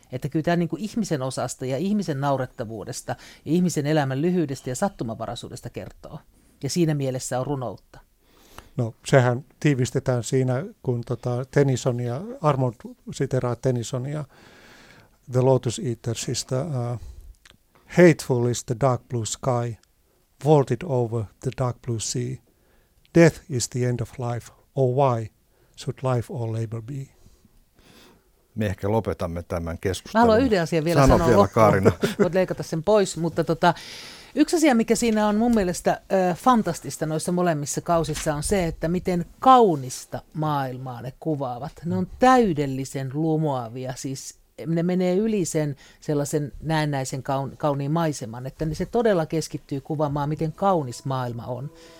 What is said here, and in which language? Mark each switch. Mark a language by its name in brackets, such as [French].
[Finnish] Että kyllä tämä niin kuin ihmisen osasta ja ihmisen naurettavuudesta, ja ihmisen elämän lyhyydestä ja sattumavaraisuudesta kertoo. Ja siinä mielessä on runoutta. No sehän tiivistetään siinä, kun Tennysonia, Armond siteraa Tennysonia The Lotus Eatersista. [English] Hateful is the dark blue sky, vaulted over the dark blue sea. Death is the end of life, or why should life or labor be? [Finnish] Me ehkä lopetamme tämän keskustelun. Mä haluan yhden asian vielä sanoa vielä loppuun. Kaarina. Voit leikata sen pois, mutta yksi asia, mikä siinä on mun mielestä fantastista noissa molemmissa kausissa, on se, että miten kaunista maailmaa ne kuvaavat. Ne on täydellisen lumoavia, siis ne menee yli sen sellaisen näennäisen kauniin maiseman, että se todella keskittyy kuvaamaan, miten kaunis maailma on.